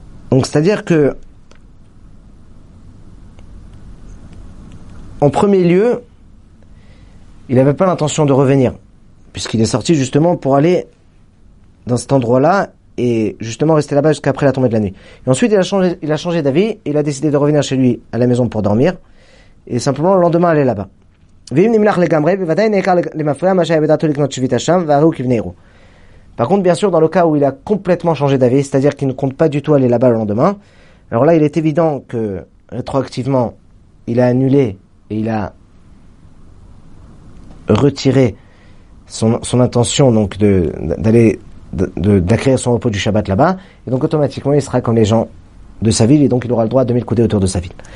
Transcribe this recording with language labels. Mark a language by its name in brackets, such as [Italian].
[French] Donc c'est-à-dire que en premier lieu, il n'avait pas l'intention de revenir, puisqu'il est sorti justement pour aller dans cet endroit-là et justement rester là-bas jusqu'après la tombée de la nuit. Et ensuite, il a changé d'avis, il a décidé de revenir chez lui à la maison pour dormir, et simplement le lendemain aller là-bas. [Hebrew] ואם נמלח לגמרי, בוודאי נעקר למפרע מה שהיה בדעתו לקנות שביתה שם, והרי הוא כבני הוא. [French] Par contre, bien sûr, dans le cas où il a complètement changé d'avis, c'est-à-dire qu'il ne compte pas du tout aller là-bas le lendemain, alors là, il est évident que, rétroactivement, il a annulé et il a retiré son intention donc d'acquérir son repos du Shabbat là-bas, et donc automatiquement, il sera comme les gens de sa ville, et donc il aura le droit à 2000 coudées autour de sa ville.